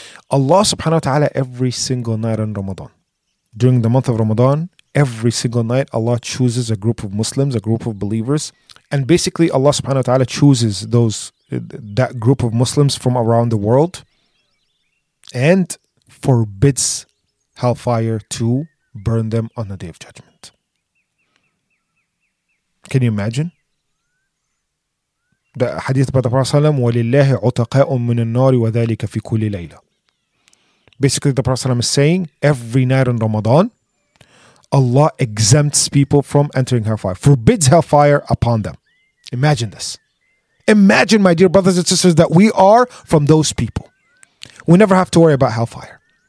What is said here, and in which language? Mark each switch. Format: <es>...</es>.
<en>Allah subhanahu wa ta'ala, every single night in Ramadan, during the month of Ramadan, every single night, Allah chooses a group of Muslims, a group of believers. And basically, Allah subhanahu wa ta'ala chooses that group of Muslims from around the world and forbids hellfire to burn them on the Day of Judgment. Can you imagine? The hadith by the Prophet ﷺ,</en> <ar>وَلِلَّهِ عُتَقَاءٌ مِّنَ النَّارِ وَذَلِكَ فِي كُلِّ لَيْلَةٍ.</ar> <en>Basically, the Prophet ﷺ is saying, every night in Ramadan, Allah exempts people from entering hellfire, forbids hellfire upon them. Imagine this. Imagine, my dear brothers and sisters, that we are from those people. We never have to worry about hellfire.</en>